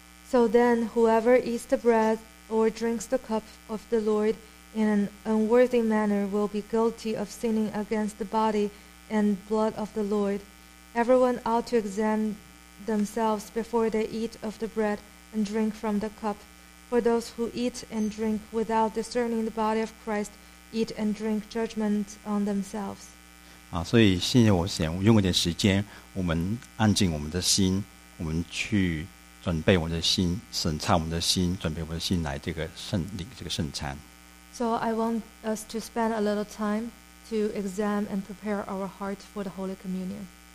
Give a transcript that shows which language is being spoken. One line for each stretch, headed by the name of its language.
English: So then, whoever eats the bread or drinks the cup of the Lord in an unworthy manner will be guilty of sinning against the body and blood of the Lord. Everyone ought to examine themselves before they eat of the bread and drink from the cup. For those who eat and drink without discerning the body of Christ eat and drink judgment on themselves.
Chinese: 所以现在我想用一点时间，我们安静我们的心，我们去准备我们的心，审查我们的心，准备我们的心来这个圣领这个圣餐。
English: So I want us to spend a little time to examine and prepare our heart for the Holy Communion.